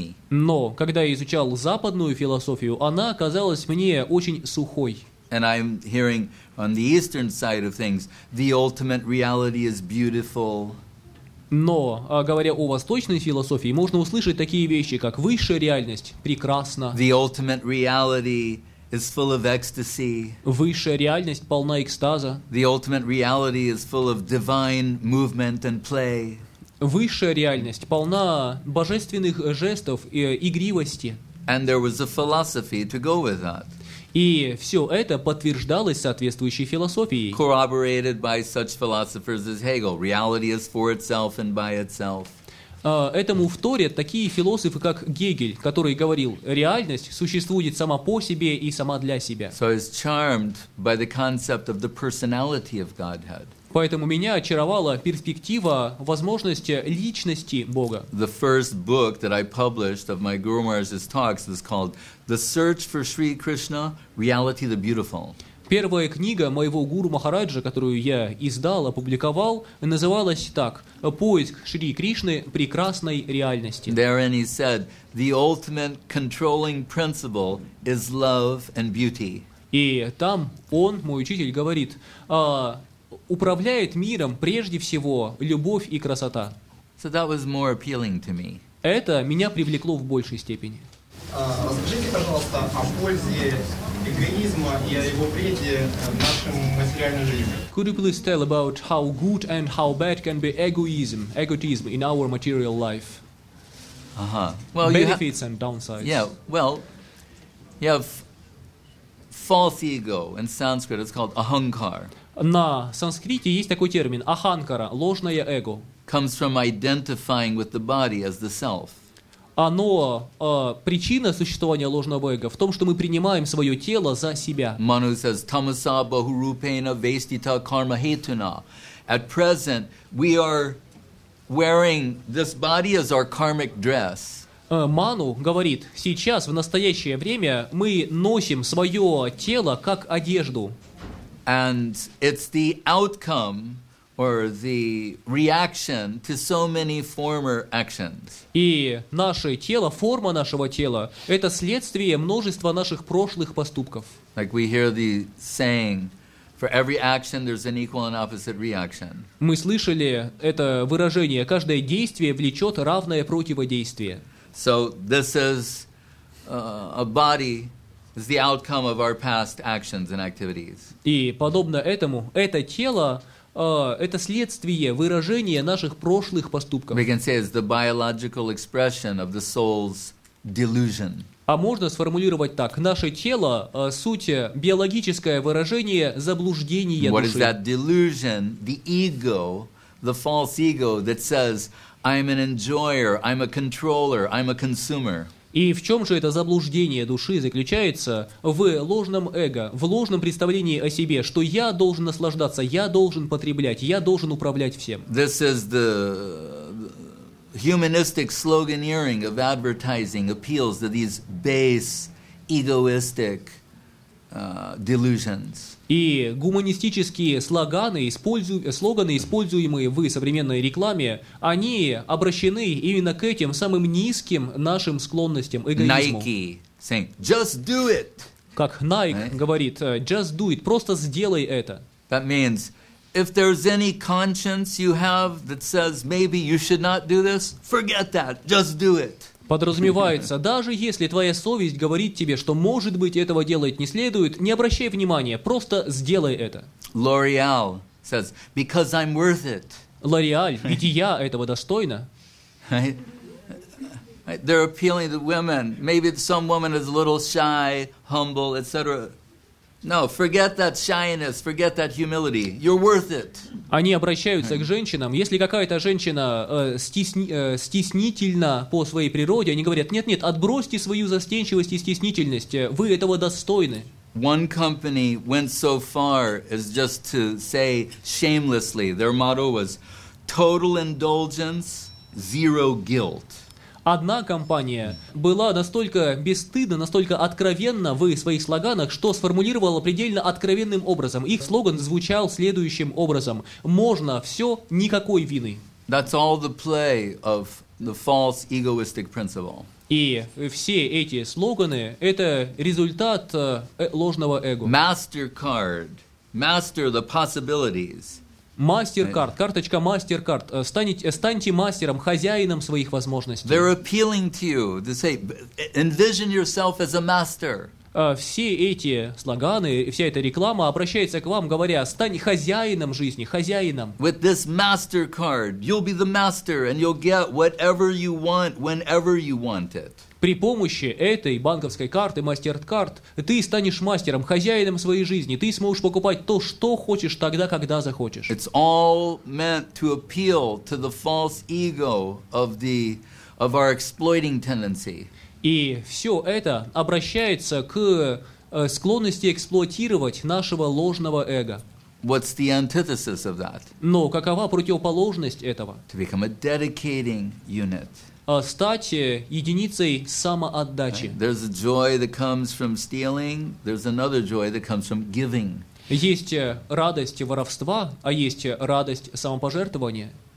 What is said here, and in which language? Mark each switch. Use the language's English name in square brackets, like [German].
[Russian] Но когда я изучал западную философию, она казалась мне очень сухой. [English] And I'm hearing on the eastern side of things, the ultimate reality is beautiful. [Russian] Но, говоря о восточной философии, можно услышать такие вещи, как высшая реальность прекрасна. [English] The ultimate reality is full of ecstasy. [Russian] Высшая реальность полна экстаза. [English] The ultimate reality is full of divine movement and play. [Russian] Высшая реальность полна божественных жестов и игривости. [English] And there was a philosophy to go with that. [Russian] И все это подтверждалось соответствующей философией. [English] Corroborated by such philosophers as Hegel, reality is for itself and by itself. [Russian] Этому вторят такие философы, как Гегель, который говорил, реальность существует сама по себе и сама для себя. [English] So he's charmed by the concept of the personality of Godhead. [Russian] Поэтому меня очаровала перспектива возможности личности Бога. [English] The first book that I published of my Guru Maharaj's talks is called The Search for Sri Krishna, Reality the Beautiful. [Russian] Первая книга моего Гуру Махараджа, которую я издал, опубликовал, называлась так: «Поиск Шри Кришны прекрасной реальности». [English] Therein he said, the ultimate controlling principle is love and beauty. [Russian] И там он, мой учитель, говорит, управляет миром прежде всего любовь и красота. [English] So that was more appealing to me. [Russian] Это меня привлекло в большей степени. Расскажите, пожалуйста, о пользе эгоизма и о его вреде нашей материальной жизни. [English] Could you please tell about how good and how bad can be egotism in our material life? Uh-huh. Well, benefits and downsides. Yeah, well, you have false ego. In Sanskrit, it's called ahankar. [Russian] На санскрите есть такой термин аханкара, ложное эго. [English] Comes from identifying with the body as the self. [Russian] Оно, причина существования ложного эго в том, что мы принимаем свое тело за себя. [Sanskrit] Manu says, tamasa bahurupena vestita karma hetuna. [English] At present, we are wearing this body as our karmic dress. [Russian] Ману говорит, сейчас, в настоящее время, мы носим свое тело как одежду. [English] And it's the outcome or the reaction to so many former actions. [Russian] И наше тело, форма нашего тела, это следствие множества наших прошлых поступков. [English] Like we hear the saying, for every action there's an equal and opposite reaction. [Russian] Мы слышали это выражение, каждое действие влечет равное противодействие. [English] So this is a body is the outcome of our past actions and activities. [Russian] И подобно этому, это тело это следствие, выражение наших прошлых поступков. [English] We can say it's the biological expression of the soul's delusion. [Russian] А можно сформулировать так: наше тело суть биологическое выражение заблуждения души. [English] is that delusion? The ego, the false ego that says I'm an enjoyer, I'm a controller, I'm a consumer. [Russian] И в чем же это заблуждение души заключается? В ложном эго, в ложном представлении о себе, что я должен наслаждаться, я должен потреблять, я должен управлять всем. [English] This is the humanistic sloganeering of advertising appeals to these base egoistic delusions. [Russian] И гуманистические слоганы, слоганы, используемые в современной рекламе, они обращены именно к этим самым низким нашим склонностям, эгоизму. [English] Nike saying, just do it. [Russian] Как Nike говорит, [English] just do it, [Russian] просто сделай это. [English] That means, if there's any conscience you have that says maybe you should not do this, forget that, just do it. [Russian] Подразумевается, даже если твоя совесть говорит тебе, что, может быть, этого делать не следует, не обращай внимания, просто сделай это. [English] L'Oreal says, because I'm worth it. [Russian] L'Oreal, ведь я этого достойна. [English] They're appealing to women. Maybe some woman is a little shy, humble, etc. No, forget that shyness, forget that humility. You're worth it. [Russian] Они обращаются к женщинам. Если какая-то женщина стеснительна по своей природе, они говорят: нет-нет, отбросьте свою застенчивость и стеснительность. Вы этого достойны. [English] One company went so far as just to say shamelessly, their motto was total indulgence, zero guilt. [Russian] Одна компания была настолько бесстыдна, настолько откровенна в своих слоганах, что сформулировала предельно откровенным образом. Их слоган звучал следующим образом: «Можно все, никакой вины». [English] That's all the play of the false egoistic principle. [Russian] И все эти слоганы – это результат ложного эго. [English] MasterCard. Master the possibilities. [Russian] MasterCard, карточка MasterCard. Станьте мастером, хозяином своих возможностей. [English] They're appealing to you to say, envision yourself as a master. [Russian] Все эти слоганы, вся эта реклама обращается к вам, говоря: стань хозяином жизни, хозяином. [English] With this MasterCard, you'll be the master and you'll get whatever you want, whenever you want it. [Russian] При помощи этой банковской карты, MasterCard, ты станешь мастером, хозяином своей жизни. Ты сможешь покупать то, что хочешь, тогда, когда захочешь. [English] It's all meant to appeal to the false ego of our exploiting tendency. [Russian] И все это обращается к склонности эксплуатировать нашего ложного эго. [English] What's the antithesis of that? [Russian] Но какова противоположность этого? [English] To become a dedicating unit. [Russian] Стать единицей самоотдачи. [English] There's a joy that comes from stealing. There's another joy that comes from giving. [Russian] Есть радость воровства, а есть радость самопожертвования.